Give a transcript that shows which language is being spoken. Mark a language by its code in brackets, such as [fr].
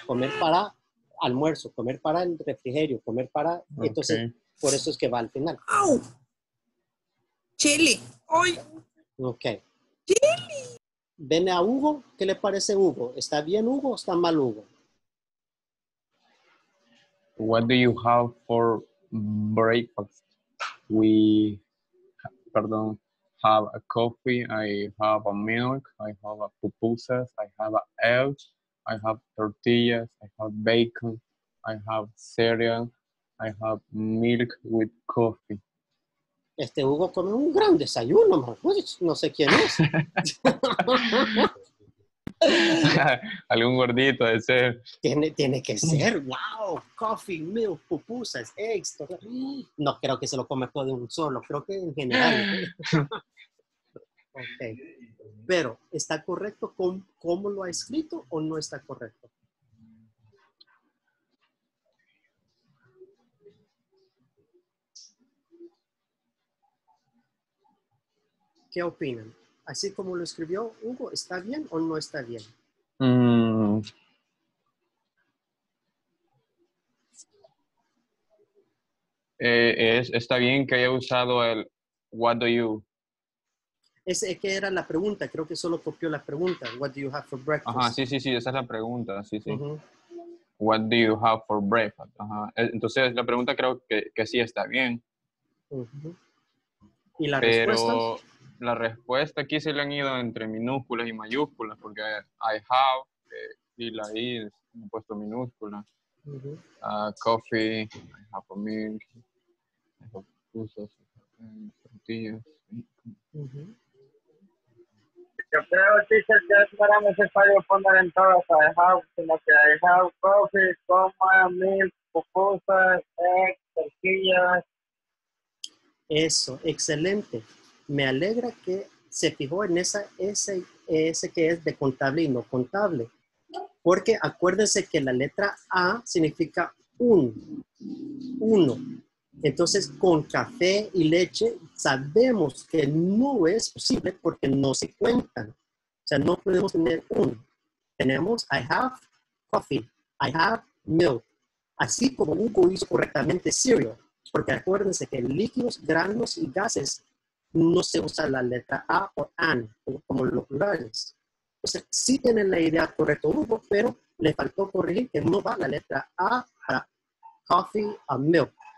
[es] Comer para almuerzo, comer para el refrigerio, comer para... Okay. Entonces, por eso es que va al final. ¡Au! ¡Chili! ¡Ay! Ok. ¡Chili! ¿Ven a Hugo? ¿Qué le parece Hugo? ¿Está bien Hugo o está mal Hugo? [en] What do you have for breakfast? We have a coffee, I have a milk, I have a pupusas, I have a egg, I have tortillas, I have bacon, I have cereal. I have milk with coffee. [es] Este Hugo come un gran desayuno, man. No sé quién es. Algún gordito de ser. Tiene que ser. Wow. [en] Coffee, milk, pupusas, eggs. [es] Todo. No creo que se lo come todo de un solo. Creo que en general. Okay. Pero, ¿está correcto cómo lo ha escrito o no está correcto? ¿Qué opinan? ¿Así como lo escribió Hugo, está bien o no está bien? Está bien que haya usado el [en] what do you. [es] Ese que era la pregunta, creo que solo copió la pregunta. [en] What do you have for breakfast? [es] Ajá, sí, esa es la pregunta, sí. Uh-huh. [en] What do you have for breakfast? [es] Ajá. Entonces, la pregunta creo que sí está bien. Uh-huh. ¿Y la respuesta? La respuesta aquí se le han ido entre minúsculas y mayúsculas, porque [en] I have, [es] y la I he puesto minúscula. Uh-huh. [en] Coffee, I have a milk, I have pupusas, tortillas. [es] Uh-huh. Yo creo que es para necesario poner en todas, [en] I have, [es] sino que [en] I have coffee, [es] coma, milk, pupusas, eggs, tortillas. Eso, excelente. Me alegra que se fijó en esa ese que es de contable y no contable. Porque acuérdense que la letra A significa uno. Entonces, con café y leche, sabemos que no es posible porque no se cuentan. O sea, no podemos tener un. Tenemos [en] I have coffee, I have milk. [es] Así como Hugo hizo correctamente cereal. Porque acuérdense que líquidos, granos y gases no se usa la letra A o AN como los plurales. O sea, sí tienen la idea correcta, Hugo, pero le faltó corregir que no va la letra A para [en] coffee and milk.